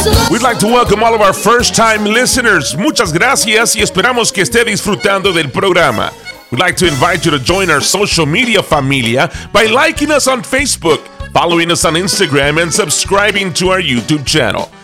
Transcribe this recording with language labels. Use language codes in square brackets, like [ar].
[en] We'd like to welcome all of our first time listeners. [es] Muchas gracias y esperamos que esté disfrutando del programa. [en] We'd like to invite you to join our social media familia by liking us on Facebook, following us on Instagram, and subscribing to our YouTube channel.